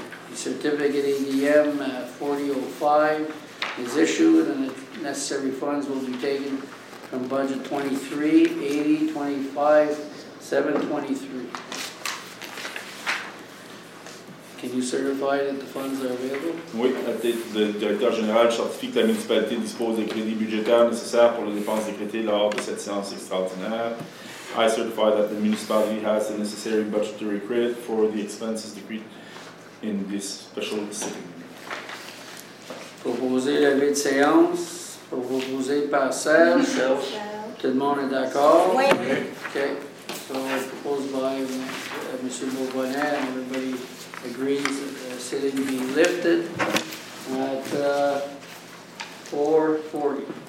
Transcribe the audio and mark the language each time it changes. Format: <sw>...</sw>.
<en>The certificate ADM 4005 is issued and the necessary funds will be taken from budget 23-80-25-723. Can you certify that the funds are available?</en> <fr>Oui, le directeur général certifie que la municipalité dispose des crédits budgétaires nécessaires pour les dépenses décrétées lors de cette séance extraordinaire.</fr> <en>I certify that the municipality has the necessary budgetary credit for the expenses decreed in this special sitting.</en> <fr>Proposer la levée de séance, proposé par Serge. Michel. Tout le monde est d'accord? Oui. OK.</fr> <en>So, proposed by Monsieur Beaubonnet, and everybody agrees that the sitting be lifted at 4:40.</en>